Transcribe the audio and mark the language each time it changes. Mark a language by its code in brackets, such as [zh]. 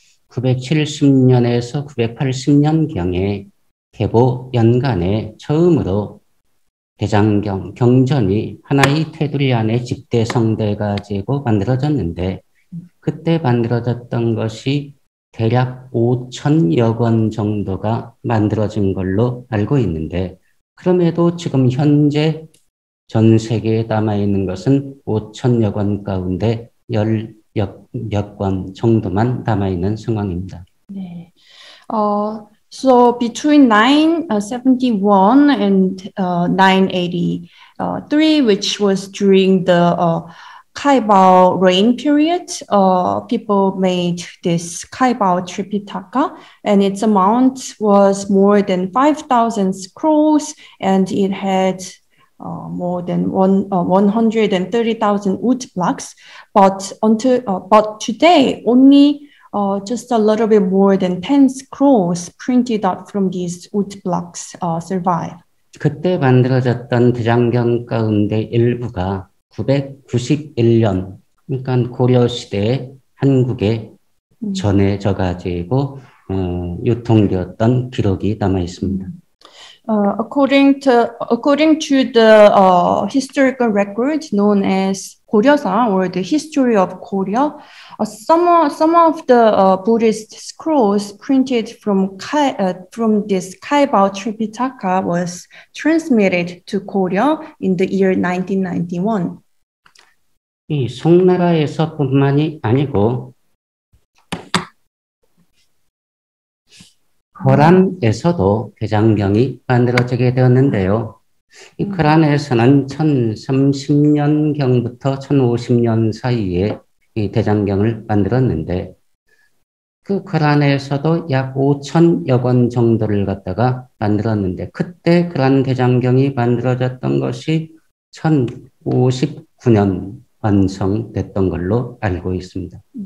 [ko] 970년에서 980년경에 계보 연간에 처음으로 대장경 경전이 하나의 테두리 안에 집대성돼 가지고 만들어졌는데 그때 만들어졌던 것이 대략 5천여 권 정도가 만들어진 걸로 알고 있는데 그럼에도 지금 현재 전 세계에 남아 있는 것은 5천여 권 가운데 10여 권 정도만 남아 있는 상황입니다. 네. [en] So between 971 and 983, which was during the Kaibao reign period, people made this Kaibao Tripitaka, and its amount was more than 5,000 scrolls, and it had more than 130,000 wood blocks. But today, only just a little bit more than 10 scrolls printed out from these wood blocks survive. [ko] 그때 만들어졌던 대장경 가운데 일부가 991년 그러니까 고려 시대 한국에 전해 져 가지고 유통되었던 기록이 남아 있습니다. [en] According to the historical records known as 고려사 or the history of Korea, some of the Buddhist scrolls printed from this Kaiba Tripitaka was transmitted to Korea in the year 1991. [ko] 이 송나라에서뿐만이 아니고 허란에서도 대장경이 만들어지게 되었는데요. 이 허란에서는 1030년경부터 1050년 사이에 이 대장경을 만들었는데 그 허란에서도 약 5천여 권 정도를 갖다가 만들었는데 그때 허란 대장경이 만들어졌던 것이 1059년 완성됐던 걸로 알고 있습니다.